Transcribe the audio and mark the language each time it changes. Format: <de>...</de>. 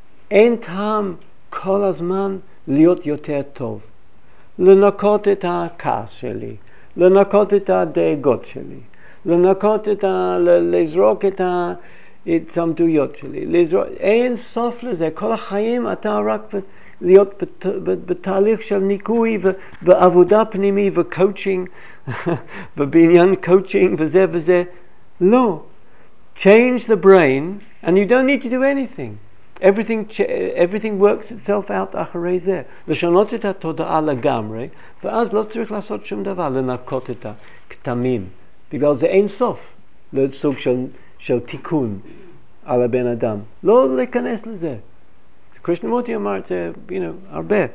<he>אין טעם כל הזמן להיות יותר טוב, לנקות את הכעס שלי, לנקות את הדאגות שלי, לנקות את לזרוק את ההתעמתויות שלי, אין סוף לזה, כל החיים אתה רק להיות בתהליך של ניקוי ועבודה פנימי וקואוצ'ינג ובעניין קואוצ'ינג וזה וזה. לא,</he> <en>change the brain and you don't need to do anything. Everything works itself out</en> <he>אחרי זה. לשנות את התודעה לגמרי, ואז לא צריך לעשות שום דבר, לנקות את הכתמים. בגלל זה אין סוף לסוג של תיקון על הבן אדם. לא להיכנס לזה. קרישנמורטי אמר את זה, you know, הרבה.</he>